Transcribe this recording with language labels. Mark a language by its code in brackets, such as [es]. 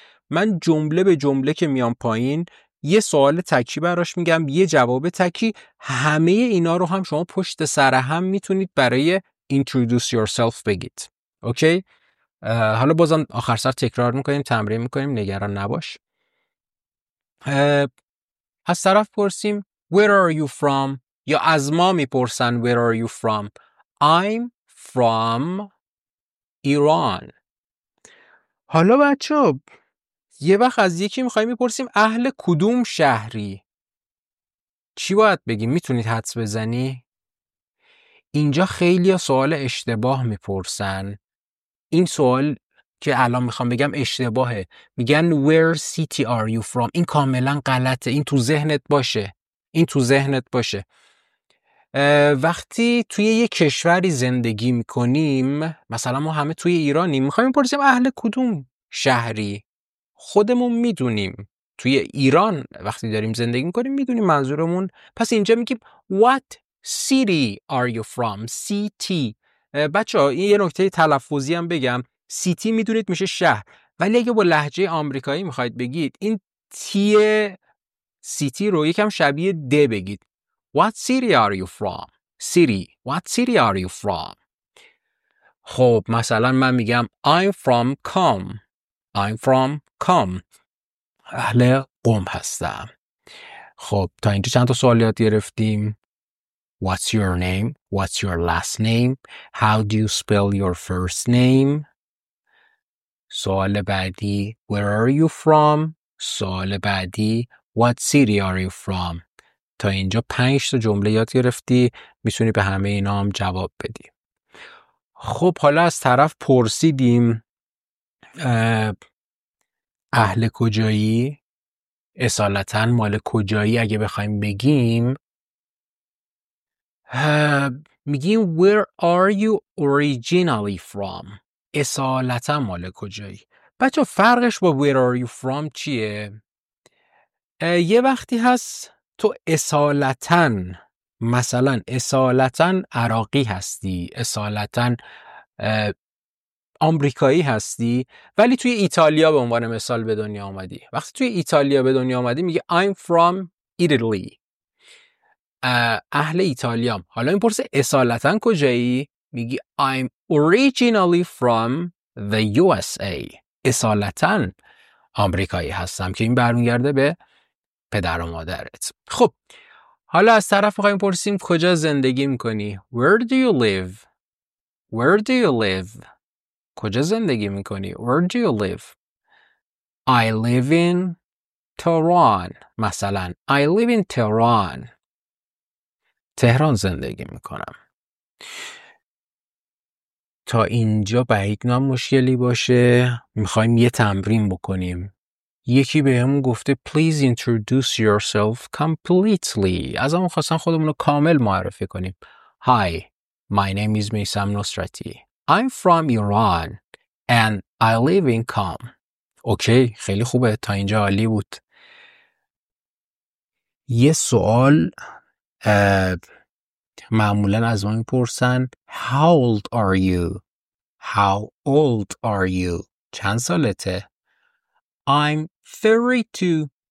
[fa] من جمله به جمله که میام پایین یه سوال تکی براش میگم، یه جواب تکی. همه اینا رو هم شما پشت سر هم میتونید برای [en] introduce yourself [fa] بگید. اوکی؟ حالا بازم آخر سر تکرار میکنیم، تمرین میکنیم، نگران نباش. از طرف پرسیم [en] Where are you from؟ [fa] یا از ما میپرسن [en] Where are you from؟ I'm from Iran. [fa] حالا بچه ها یه وقت از یکی میخوایی میپرسیم اهل کدوم شهری؟ چی باید بگیم؟ میتونید حدس بزنی؟ اینجا خیلی سوال اشتباه میپرسن. این سوال که الان میخوام بگم اشتباهه. میگن [en] Where city are you from؟ [fa] این کاملا غلطه. این تو ذهنت باشه. این تو ذهنت باشه. وقتی توی یه کشوری زندگی میکنیم، مثلا ما همه توی ایرانیم، میخوایم بپرسیم اهل کدوم شهری؟ خودمون میدونیم توی ایران وقتی داریم زندگی میکنیم میدونیم منظورمون. پس اینجا میگیم [en] What city are you from؟ City. [fa] بچه ها یه نکته تلفظی هم بگم، سیتی میدونید میشه شهر، ولی اگه با لهجه آمریکایی میخواید بگید این تی سیتی رو یکم شبیه د بگید. [en] What city are you from؟ City. What city are you from؟ [fa] خب مثلا من میگم [en] I'm from Qom. I'm from Qom. [fa] اهل قم هستم. خب تا اینجا چند تا سوال یاد گرفتیم. [en] What's your name? What's your last name? How do you spell your first name? [fa] سوال بعدی [en] Where are you from? [fa] سوال بعدی [en] What city are you from? [fa] تا اینجا 5 تا جمله یاد گرفتی، میتونی به همه اینا هم جواب بدی. خب حالا از طرف پرسیدیم اهل کجایی؟ اصالتاً مال کجایی اگه بخوایم بگیم؟ میگیم [en] Where are you originally from؟ [fa] اصالتاً مال کجایی؟ بچه فرقش با [en] Where are you from [fa] چیه؟ یه وقتی هست تو اصالتاً، مثلا اصالتاً عراقی هستی، اصالتاً آمریکایی هستی، ولی توی ایتالیا به عنوان مثال به دنیا آمدی. وقتی توی ایتالیا به دنیا آمدی میگه [en] I'm from Italy، [fa] اهل ایتالیا. حالا این پرسه اصالتاً کجایی؟ میگی [en] I'm originally from the USA، [fa] اصالتاً آمریکایی هستم، که این برمیگرده به پدر و مادرت. خب حالا از طرف میخواییم پرسیم کجا زندگی میکنی؟ [en] Where do you live؟ Where do you live؟ [fa] کجا زندگی میکنی؟ [en] Where do you live؟ I live in Tehran. مثلا I live in Tehran. [fa] تهران زندگی میکنم. تا اینجا بعید نام مشکلی باشه. میخواییم یه تمرین بکنیم. یکی به همون گفته [en] Please introduce yourself completely. [fa] از همون خواستن خودمون رو کامل معرفی کنیم. [en] Hi, my name is Meysam Nosrati. I'm from Iran and I live in Qom. [fa] اوکی، خیلی خوبه، تا اینجا عالی بود. یه سوال معمولا از ما میپرسن [en] How old are you? How old are you? [fa] چند سالته؟ [en] I'm 32.